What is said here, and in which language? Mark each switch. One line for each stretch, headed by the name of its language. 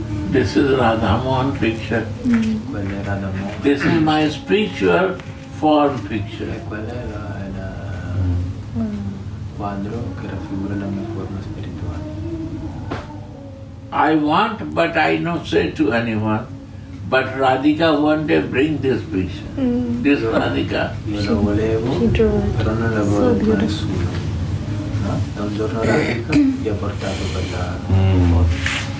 English: This is Radhamon picture.
Italian: Quella è Radhamon.
English: This is my spiritual form picture.
Italian: Quella è il quadro che raffigura la mia forma spirituale.
English: I want, but I not say to anyone. But Radhika one day bring this picture. Mm. This Radhika.
Italian: Io lo volevo, però non la volevo con nessuno. No? Da un giorno Radhika gli ha portato quella foto.